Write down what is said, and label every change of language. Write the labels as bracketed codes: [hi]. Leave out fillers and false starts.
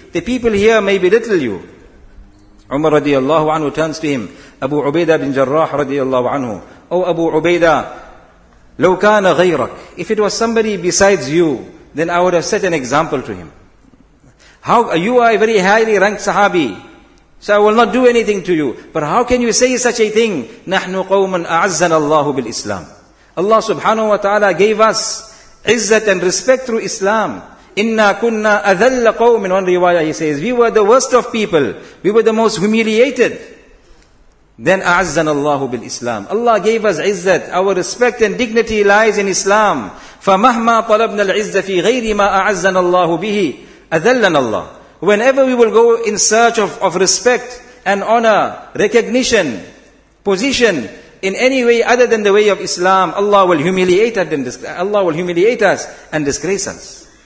[en] The people here may belittle you." Umar radiallahu anhu turns to him, Abu Ubaidah bin Jarrah radiallahu anhu, "Oh Abu Ubaidah, [ar] لو كان غيرك, [en] if it was somebody besides you, then I would have set an example to him. How, you are a very highly ranked Sahabi, so I will not do anything to you. But how can you say such a thing? [ar] نحن قوم أعزنا الله بالإسلام. [en] Allah subhanahu wa ta'ala gave us izzat and respect through Islam. [ar] Inna kunna adhalla qawm. [en] In one riwayah he says, we were the worst of people. We were the most humiliated. [ar] Then أعزنا الله بالإسلام. [en] Allah gave us izzat. Our respect and dignity lies in Islam. [ar] فَمَهْمَا طَلَبْنَا الْعِزَّ فِي غَيْرِ مَا أَعَزَّنَا اللَّهُ بِهِ أَذَلَّنَا اللَّهُ. [en] Whenever we will go in search of respect and honor, recognition, position, in any way other than the way of Islam, Allah will humiliate us and disgrace us.